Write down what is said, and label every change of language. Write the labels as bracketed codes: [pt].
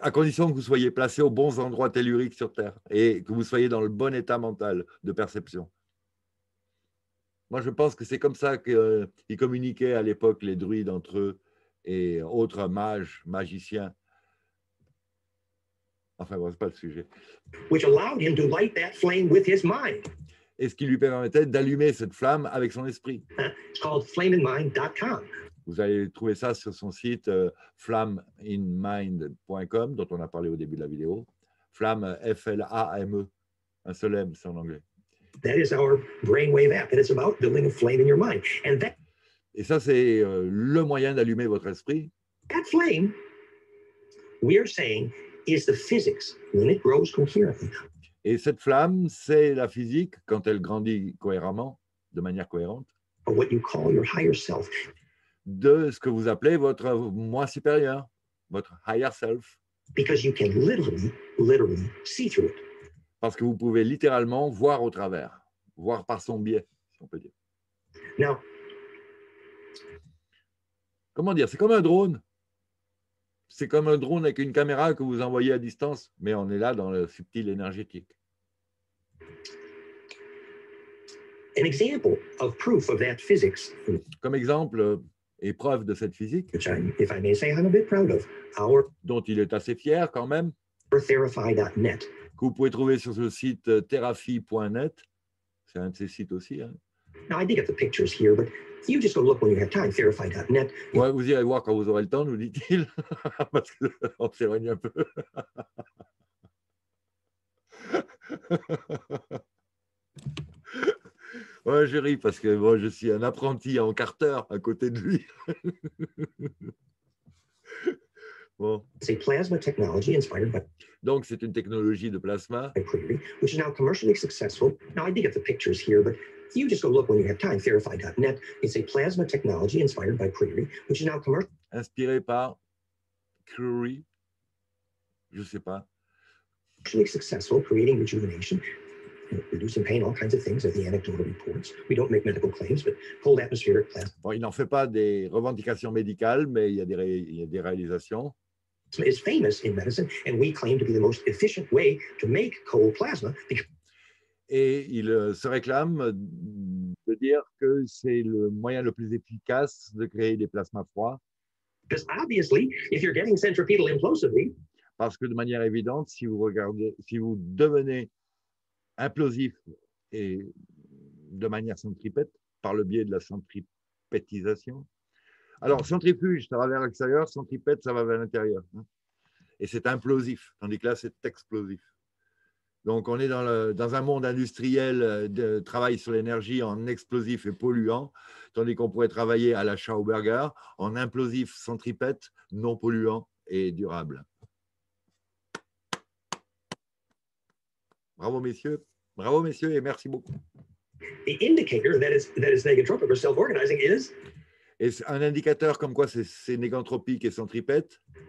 [fr] À condition que vous soyez placé aux bons endroits telluriques sur Terre et que vous soyez dans le bon état mental de perception. Moi, je pense que c'est comme ça qu'ils communiquaient à l'époque, les druides entre eux et autres mages, magiciens. Enfin bon, c'est pas le sujet. [en] Which allowed him to light that flame with his mind. [fr] Et ce qui lui permettait d'allumer cette flamme avec son esprit. [en] It's called flameinmind.com. [fr] Vous allez trouver ça sur son site flameinmind.com, dont on a parlé au début de la vidéo. Flamme, F-L-A-M-E, un seul M, c'est en anglais. [en] That is our brainwave app. It is about building a flame in your mind. And that. [fr] Et ça, c'est le moyen d'allumer votre esprit. [en] That flame, we are saying, is the physics when it grows coherently. [fr] Et cette flamme, c'est la physique quand elle grandit cohéremment, de manière cohérente, [en] what you call your higher self. [fr] De ce que vous appelez votre moi supérieur, votre [en] higher self. Because you can literally see through it. [fr] Parce que vous pouvez littéralement voir au travers, voir par son biais, si on peut dire. [en] Now, [fr] comment dire, c'est comme un drone. C'est comme un drone avec une caméra que vous envoyez à distance, mais on est là dans le subtil énergétique. [en] An example of proof of that physics. [fr] Comme exemple et preuve de cette physique, [en] if I may say, I'm a bit proud of, our [fr] dont il est assez fier quand même, [en] eartherify.net, [fr] que vous pouvez trouver sur ce site therafi.net, c'est un de ces sites aussi. Hein. [en] Now, I did get the pictures here, but You just go look when you have time, therify.net. [fr] Ouais, vous irez voir quand vous aurez le temps, nous dit-il. Parce qu'on s'éloigne un peu. Ouais, je ris parce que moi, je suis un apprenti en carteur à côté de lui. Bon. C'est [en] plasma technology inspired by... [fr] Donc, c'est une technologie de plasma. [en] Which is now commercially successful. Now, I dig up the pictures here, but you just go look when you have time, therify.net. It's a plasma technology inspired by Query, which is now commercial. [fr] Inspiré par Query. Je sais pas. [en] Commercially successful, creating rejuvenation, reducing pain, all kinds of things that the anecdotal reports. We don't make medical claims, but cold atmospheric plasma. [fr] Bon, il n'en fait pas des revendications médicales, mais il y a des réalisations. [en] Is famous in medicine, and we claim to be the most efficient way to make cold plasma. [fr] Et il se réclame de dire que c'est le moyen le plus efficace de créer des plasmas froids. [en] Because obviously, if you're getting centripetal implosively. [fr] Parce que de manière évidente, si vous devenez implosif et de manière centripète par le biais de la centripétisation. Alors, centrifuge, ça va vers l'extérieur, centripète, ça va vers l'intérieur. Et c'est implosif, tandis que là, c'est explosif. Donc, on est dans un monde industriel de travail sur l'énergie en explosif et polluant, tandis qu'on pourrait travailler à la Schauberger en implosif centripète, non polluant et durable. Bravo, messieurs, et merci beaucoup. [en] The indicator that is negentropic or self-organizing is... [fr] Et un indicateur comme quoi c'est négentropique et centripète,